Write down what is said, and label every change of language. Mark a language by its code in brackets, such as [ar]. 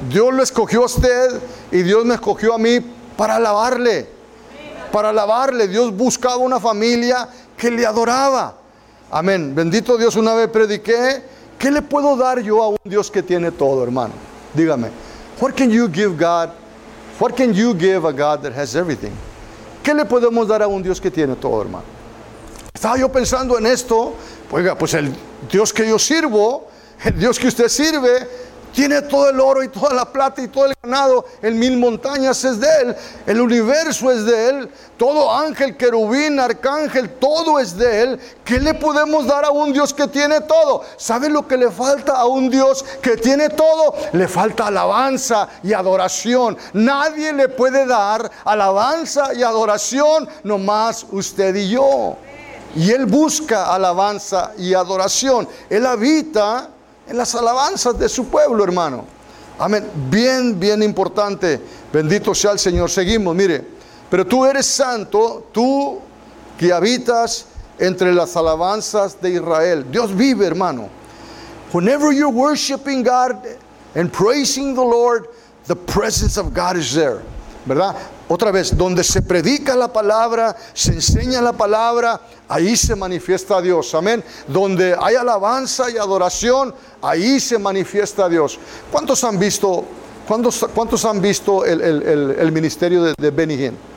[es] Dios lo escogió a usted y Dios me escogió a mí para alabarle. Para alabarle. Dios buscaba una familia que le adoraba. Amén. Bendito Dios, una vez prediqué, ¿qué le puedo dar yo a un Dios que tiene todo, hermano? Dígame. [en] What can you give God? What can you give a God that has everything? [es] ¿Qué le podemos dar a un Dios que tiene todo, hermano? Estaba yo pensando en esto, pues el Dios que yo sirvo, el Dios que usted sirve, tiene todo el oro y toda la plata y todo el ganado. En mil montañas es de él. El universo es de él. Todo ángel, querubín, arcángel, todo es de él. ¿Qué le podemos dar a un Dios que tiene todo? ¿Sabe lo que le falta a un Dios que tiene todo? Le falta alabanza y adoración. Nadie le puede dar alabanza y adoración, nomás usted y yo. Y él busca alabanza y adoración. Él habita en las alabanzas de su pueblo, hermano. Amén. Bien, bien importante. Bendito sea el Señor. Seguimos, mire. Pero tú eres santo, tú que habitas entre las alabanzas de Israel. Dios vive, hermano. [en] Whenever you're worshiping God and praising the Lord, the presence of God is there. [es] ¿Verdad? Otra vez, donde se predica la palabra, se enseña la palabra, ahí se manifiesta Dios. Amén. Donde hay alabanza y adoración, ahí se manifiesta Dios. ¿Cuántos han visto? ¿Cuántos han visto el ministerio de Benny Hinn?